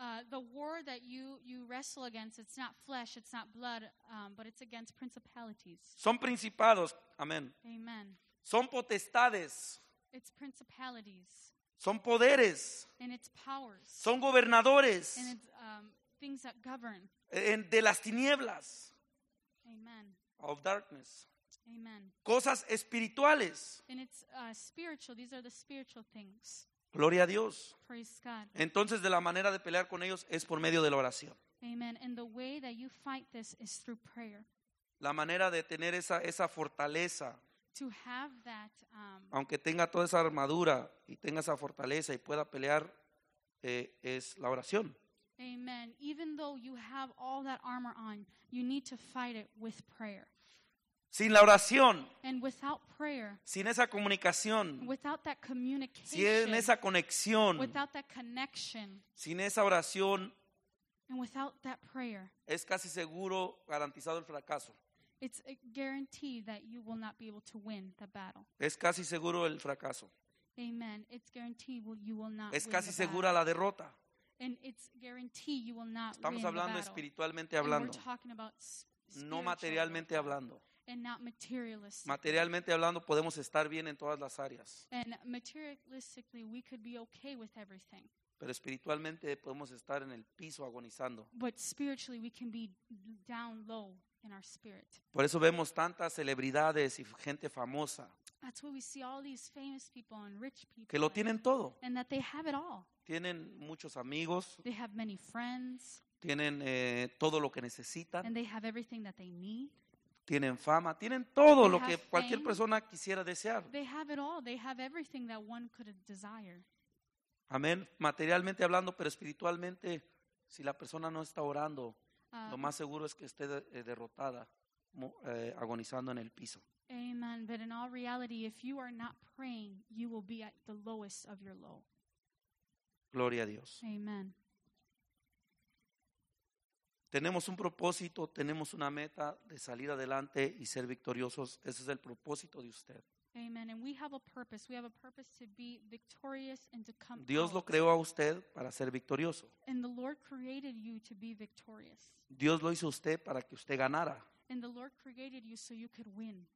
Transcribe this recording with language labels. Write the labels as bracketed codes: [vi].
[en] The war that you wrestle against, it's not flesh, it's not blood, but it's against principalities. [es] Son principados, amén. [en] Amen. [es] Son potestades. [en] It's principalities. [es] Son poderes. [en] And it's powers. [es] Son gobernadores. [en] And it's things that govern. [es] De las tinieblas. [en] Amen. Of darkness. Amen. [es] Cosas espirituales. [en] And it's spiritual, these are the spiritual things. [es] Gloria a Dios. [en] Praise God. [es] Entonces, de la manera de pelear con ellos es por medio de la oración. [en] Amen. And the way that you fight this is through prayer. [es] La manera de tener esa fortaleza. [en] To have that, [es] aunque tenga toda esa armadura y tenga esa fortaleza y pueda pelear, es la oración. [en] Amen. Even though you have all that armor on, you need to fight it with prayer. [es] Sin la oración, [en] and without prayer, [es] sin esa comunicación, [en] without that communication, [es] sin esa conexión, [en] without that connection, [es] sin esa oración, [en] and without that prayer, [es] es casi seguro garantizado el fracaso. [en] It's a guarantee that you will not be able to win the battle. [es] Es casi seguro el fracaso. [en] Amen. It's guaranteed you will not. [es] Es casi segura la derrota. [en] And it's guarantee you will not. [es] Estamos hablando espiritualmente hablando. [en] We're talking about [es] no materialmente hablando. [en] And not materialist. [es] Materialmente hablando, podemos estar bien en todas las áreas. [en] And materialistically, we could be okay with everything. [es] Pero espiritualmente podemos estar en el piso agonizando. [en] But spiritually, we can be down low in our spirit. [es] Por eso vemos tantas celebridades y gente famosa. [en] That's why we see all these famous people and rich people. [es] Que lo tienen todo. [en] And that they have it all. [es] Tienen muchos amigos. [en] They have many friends. [es] Tienen todo lo que necesitan. [en] And they have everything that they need. [es] Tienen fama, tienen todo lo que cualquier persona quisiera desear. [en] They have it all. They have everything that one could desire. [es] Amén. Materialmente hablando, pero espiritualmente, si la persona no está orando, lo más seguro es que esté derrotada, agonizando en el piso. [en] Amen. But in all reality, if you are not praying, you will be at the lowest of your low. [es] Gloria a Dios. [en] Amen. [es] Tenemos un propósito, tenemos una meta de salir adelante y ser victoriosos. Ese es el propósito de usted. [en] Amen. And we have a purpose. We have a purpose to be victorious and to come. [es] Dios lo creó a usted para ser victorioso. [en] And the Lord created you to be victorious. [es] Dios lo hizo a usted para que usted ganara. [en] And the Lord created you so you could win.